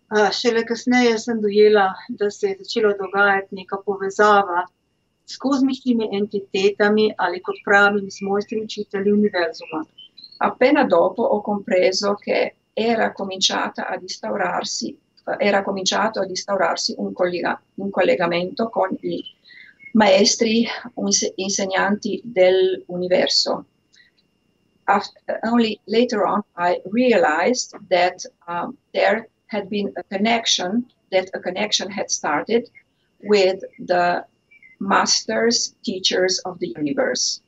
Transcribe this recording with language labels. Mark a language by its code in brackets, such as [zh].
[sl] Šele kasneje sem dojela, da se je začelo dogajati neka povezava s kozmičnimi entitetami ali kot pravim s mojstri učitelji univerzuma. [it] Appena dopo ho compreso che era cominciato ad instaurarsi un collegamento con i maestri, insegnanti dell'universo. [en] Only later on I realized that there had been a connection had started with the masters, teachers of the universe